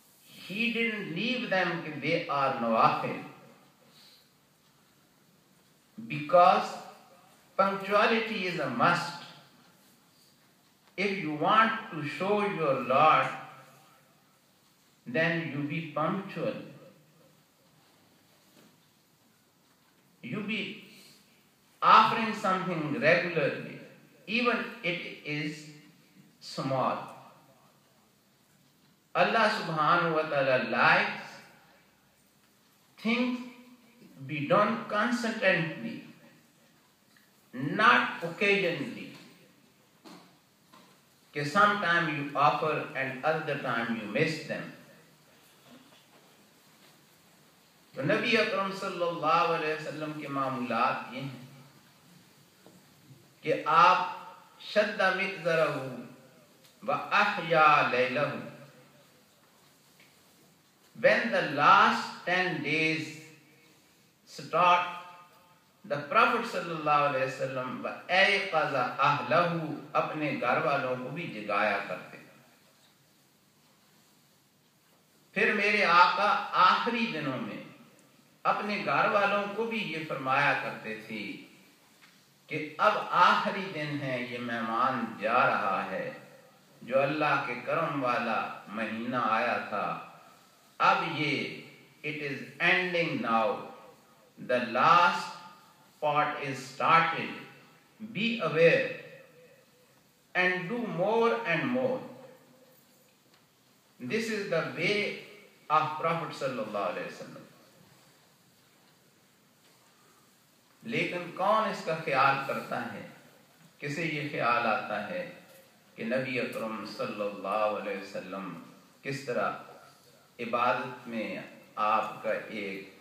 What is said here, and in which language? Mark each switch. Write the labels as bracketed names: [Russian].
[English] he didn't leave them کہ they are نوافل، because punctuality is a must if you want to show your Lord، then you be punctual، you be offering something regularly even it is small. Allah subhanahu wa ta'ala likes things be done consistently, not occasionally ke sometime you offer and other time you miss them. [Urdu] تو نبی اکرم صلی اللہ علیہ وسلم کے معمولات یہ ہیں کہ آپ [Arabic] شد مقدرہ و احیا لیلہ، [English] when the last 10 days start، [Urdu] the prophet صلی اللہ علیہ وسلم [Arabic] و ایقظ اہلہ، [Urdu] اپنے گھر والوں کو بھی جگایا کرتے، پھر میرے آقا آخری دنوں میں اپنے گھر والوں کو بھی یہ فرمایا کرتے تھے کہ اب آخری دن ہے، یہ مہمان جا رہا ہے، جو اللہ کے کرم والا مہینہ آیا تھا، اب یہ [English] it is ending now، the last part is started، be aware and do more and more. This is the way of Prophet صلی اللہ علیہ وسلم. [Urdu] لیکن کون اس کا خیال کرتا ہے؟ کسے یہ خیال آتا ہے کہ نبی اکرم صلی اللہ علیہ وسلم کس طرح عبادت میں آپ کا ایک